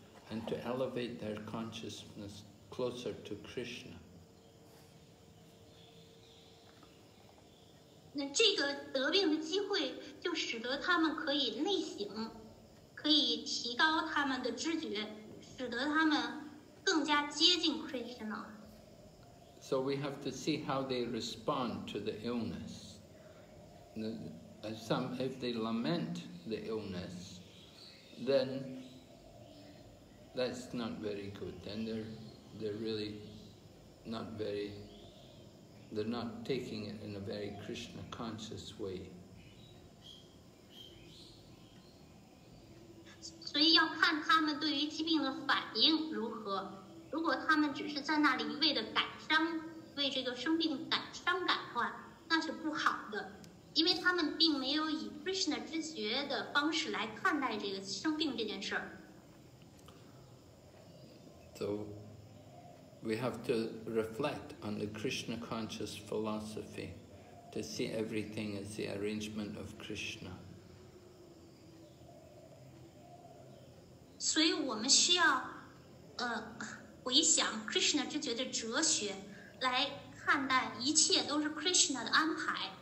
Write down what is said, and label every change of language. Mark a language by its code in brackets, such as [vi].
[en] And to elevate their consciousness closer to Krishna. [zh] 那这个得病的机会就使得他们可以内省，可以提高他们的知觉，使得他们更加接近 Krishna. [en] So we have to see how they respond to the illness. Some, if they lament the illness, then. That's not very good, and they're not taking it in a very Krishna conscious way. [zh] 所以要看他们对于疾病的反应如何。如果他们只是在那里一味的感伤，为这个生病感伤感化，那是不好的，因为他们并没有以 Krishna 知觉的方式来看待这个生病这件事儿。 [en] So we have to reflect on the Krishna conscious philosophy to see everything as the arrangement of Krishna. So we need to reflect [zh] Krishna 知觉的哲学来看待一切都是 Krishna 的安排。